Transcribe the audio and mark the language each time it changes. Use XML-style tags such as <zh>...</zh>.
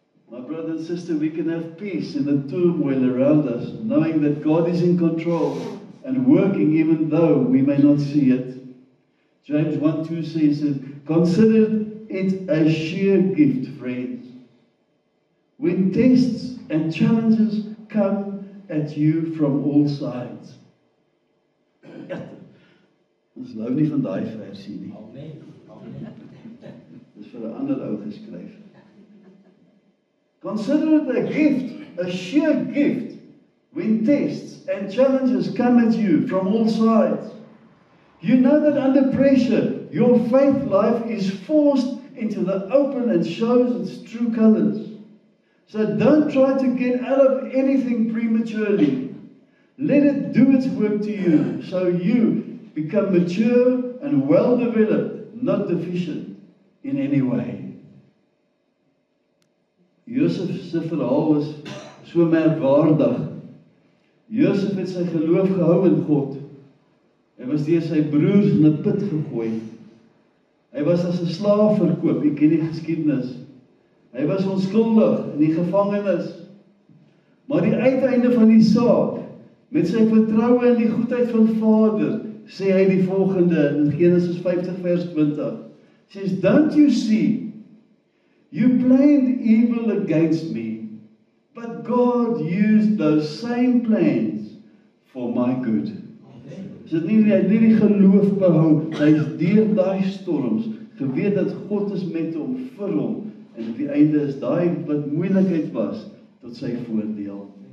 <en>My brother and sister, we can have peace in the turmoil around us, knowing that God is in control and working even though we may not see it. James 1:2 says, consider it a sheer gift, friends. When tests and challenges come at you from all sides.</en> <af>Ons hou nie van daai versie nie. Amen. Dis vir 'n ander ou geskryf.</af> <en>Consider it a gift, a sheer gift, when tests and challenges come at you from all sides. You know that under pressure, your faith life is forced into the open and shows its true colors. So don't try to get out of anything prematurely. Let it do its work to you, so you become mature and well-developed, not deficient in any way.</en> <af>Josef se verhaal was so merkwaardig. Josef het sy geloof gehou in God. Hy was deur sy broers in 'n put gegooi. Hy was as 'n slaaf verkoop, ek ken die geskiedenis. Hy was onskuldig in die gevangenis. Maar die uiteinde van die saak, met sy vertroue in die goedheid van Vader, sê hy die volgende in Genesis 50 vers 20. Sê,</af> <en>don't you see, you planned evil against me, but God used those same plans for my good.</en> <af>Is dit nie, hy het nie die geloof behou, hy is deur die storms, geweet dat God is met hom, vir hom, en op die einde is die wat moeilikheid was, tot sy voordeel.</af>